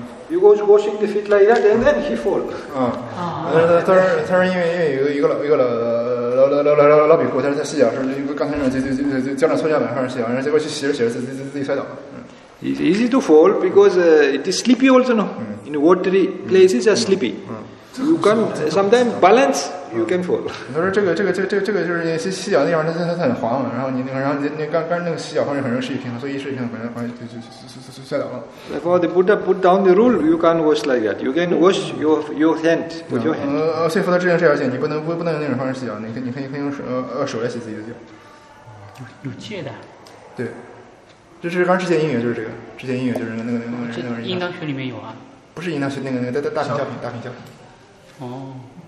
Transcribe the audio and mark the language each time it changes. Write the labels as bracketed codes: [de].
[en] you go to washing the feet like that, and then he fall. [zh] 他说因为有一个老比库，但是在洗脚时候，因为刚才那就脚上搓脚板上洗脚，然后结果去洗着洗着自己摔倒了。 [en] It's easy to fall because it is sleepy also, no? In watery places are sleepy. You can sometimes balance, you can fall. [zh] 他说这个就是洗脚的地方，它很滑嘛，然后你那个洗脚方式很容易失去平衡，所以一失去平衡，然后就摔倒了。 [en] Therefore, the Buddha put down the rule: you can't wash like that. You can wash your hand with your hand. [zh] 所以佛陀制定这条戒，你不能用那种方式洗脚，你可以用手来洗自己的脚。有戒的。对。这是刚刚之前音乐，就是这个。之前音乐就是那个应当学里面有啊。不是应当学那个大品教品，大品教品。哦。